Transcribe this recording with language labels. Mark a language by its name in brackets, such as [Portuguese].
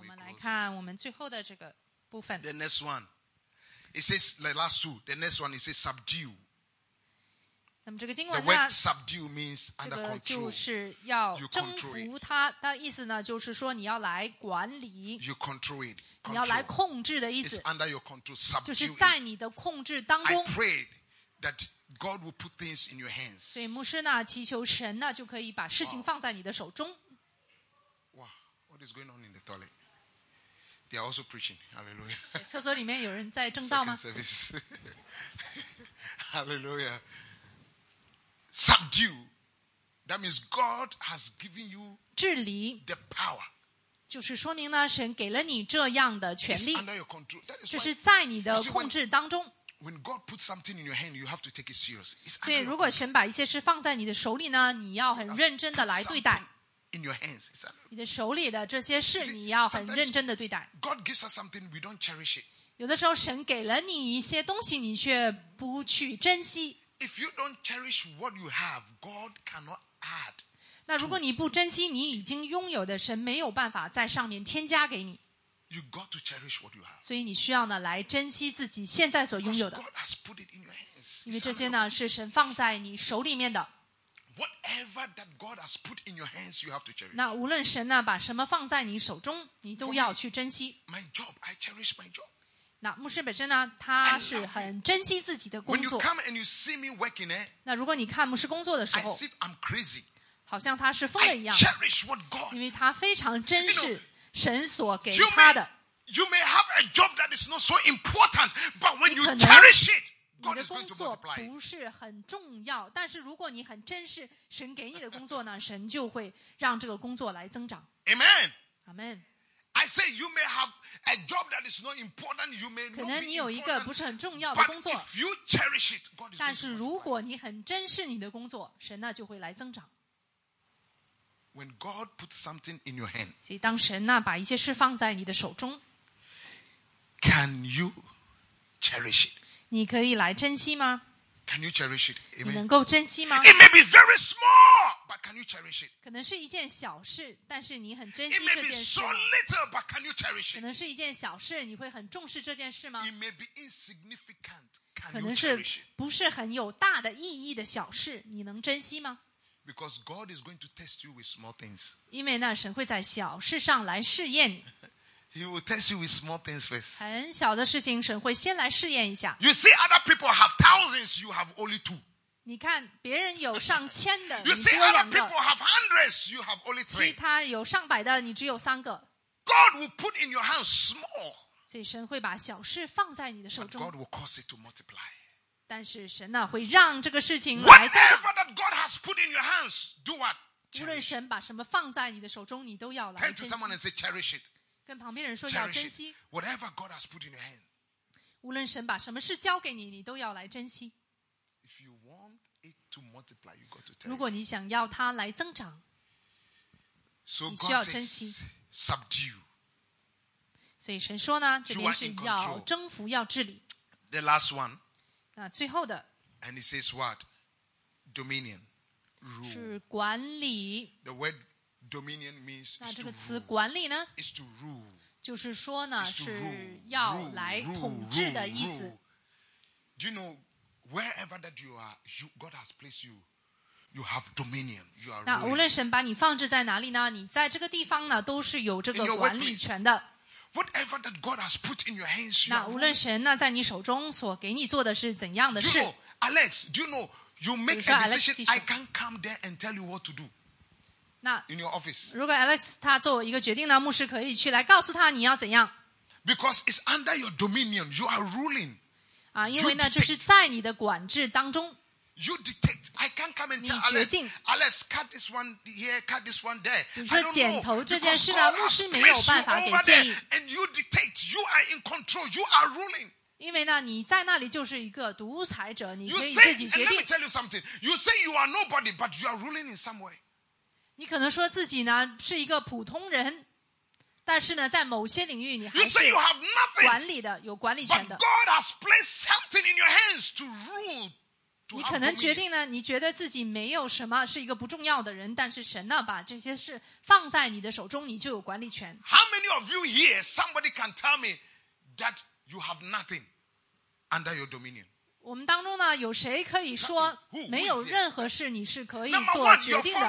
[Chinese] 我们来看我们最后的这个部分。 [English] The next one, it says the last two. The next one, it says subdue. [Chinese] 那么这个经文 [English] 呢 The word subdue means under control. [Chinese] 这个就是要征服它的意思呢就是说你要来管理 [English] You control it. [Chinese] 你要来控制的意思 [English] It's under your control. Subdue [Chinese] 就是在你的控制当中 [English] I pray that God will put things in your hands. [Chinese] 所以牧师呢祈求神呢就可以把事情放在你的手中 [English] Wow, what is going on in the toilet? They are also preaching. Hallelujah. [Chinese] 厕所里面有人在正道吗 [English] Second service. Hallelujah. Subdue. That means God has given you [Chinese] 治理 [English] the power. [Chinese] 就是说明呢，神给了你这样的权利。 [English] It's under your control. That is why. [Chinese] 就是在你的控制当中。 [English] When God puts something in your hand, you have to take it seriously. [Chinese] 所以，如果神把一些事放在你的手里呢，你要很认真的来对待。 [English] In your hands, it's under. [Chinese] 你的手里的这些事，你要很认真的对待。 [English] God gives us something, we don't cherish it. [Chinese] 有的时候，神给了你一些东西，你却不去珍惜。 [English] If you don't cherish what you have, God cannot add. [Chinese] 那如果你不珍惜你已经拥有的，神没有办法在上面添加给你。 [English] You got to cherish what you have. [Chinese] 所以你需要呢来珍惜自己现在所拥有的。 [English] Because God has put it in your hands. [Chinese] 因为这些呢是神放在你手里面的。 [English] Whatever that God has put in your hands, you have to cherish. [Chinese] 那无论神呢把什么放在你手中，你都要去珍惜。 [English] My job, I cherish my job. [Chinese] 那牧师本身呢他是很珍惜自己的工作 [English] When you come and you see me working, [Chinese] 那如果你看牧师工作的时候 [English] I see I'm crazy. [Chinese] 好像他是疯了一样 [English] I cherish what God, [Chinese] 因为他非常珍视神所给他的 [English] you, know, you may have a job that is not so important but when you cherish it God is going to multiply [Chinese] 你的工作不是很重要但是如果你很珍视神给你的工作呢神就会让这个工作来增长 [English] Amen Amen I say you may have a job that is not important. You may not be important. [Chinese] 可能你有一个不是很重要的工作。 [English] But if you cherish it, God is. [Chinese] 但是如果你很珍视你的工作，神呢就会来增长。 [English] When God puts something in your hand, [Chinese] 所以当神呢把一些事放在你的手中 [English] ，Can you cherish it? [Chinese] 你可以来珍惜吗 [English] ？Can you cherish it? [Chinese] 你能够珍惜吗 [English] ？It may be very small. But can you cherish it? [Chinese] 可能是一件小事，但是你很珍惜这件事。 [English] It may be so little, but can you cherish it? [Chinese] 可能是一件小事，你会很重视这件事吗 [English] ？It may be insignificant. Can you cherish it? [Chinese] 可能是不是很有大的意义的小事，你能珍惜吗 [English] ？Because God is going to test you with small things. [Chinese] 因为那神会在小事上来试验你。 [English] He will test you with small things first. [Chinese] 很小的事情，神会先来试验一下。 [English] You see, other people have thousands. You have only two. [Chinese] 你看别人有上千的， [English] you see, [Chinese] 你只有两个。 [English] Other people have hundreds, you have only three. [Chinese] 其他有上百的，你只有三个。 [English] God will put in your hands small. [Chinese] 所以神会把小事放在你的手中。 [English] But God will cause it to multiply. [Chinese] 但是神呢，会让这个事情来增长。 [English] Whatever that God has put in your hands, do what? [Chinese] 无论神把什么放在你的手中，你都要来珍惜。 [English] Turn to someone and say, cherish it. [Chinese] 跟旁边人说要珍惜。 [English] Whatever God has put in your hand. [Chinese] 无论神把什么事交给你，你都要来珍惜。 [English] If you want it to multiply, you got to tell. [Chinese] 如果你想要它来增长， [English] so、 [Chinese] 你需要珍惜。 [English] Says, subdue. [Chinese] 所以神说呢，这边是要征服，要治理。 [English] The last one. [Chinese] 那最后的。 [English] And it says what? Dominion, rule. [Chinese] 是管理。 [English] The word dominion means. [Chinese] 那这个词管理呢 [English] ？Is to rule. [Chinese] 就是说呢，是要来统治的意思。 [English] Do you know? Wherever that you are, you, God has placed you. You have dominion. You are. [Chinese] 那无论神把你放置在哪里呢？你在这个地方呢，都是有这个管理权的。 [English] Whatever that God has put in your hands. [Chinese] 那无论神那在你手中所给你做的是怎样的事 [English] ？Alex, do you know you make a decision? I can't come there and tell you what to do. [Chinese] 那 [English] in your office. [Chinese] 如果 Alex 他做一个决定呢，牧师可以去来告诉他你要怎样 [English] ？Because it's under your dominion. You are ruling. [Chinese] 啊，因为呢，就是在你的管制当中。 [English] You detect. I can't come and tell Alex. Alex, cut this one here, cut this one there. [Chinese] 你说剪头这件事呢，牧师没有办法给建议。 [English] And you detect. You are in control. You are ruling. [Chinese] 因为呢，你在那里就是一个独裁者，你可以自己决定。 [English] Let me tell you something. You say you are nobody, but you are ruling in some way. [Chinese] 你可能说自己呢是一个普通人。但是呢，在某些领域，你还是管理的，有管理权的。 [English] God has placed something in your hands to rule. [Chinese] 你可能决定呢，你觉得自己没有什么，是一个不重要的人。但是神呢，把这些事放在你的手中，你就有管理权。 [English] How many of you here, somebody can tell me that you have nothing under your dominion? [Chinese] 我们当中呢，有谁可以说没有任何事你是可以做决定的？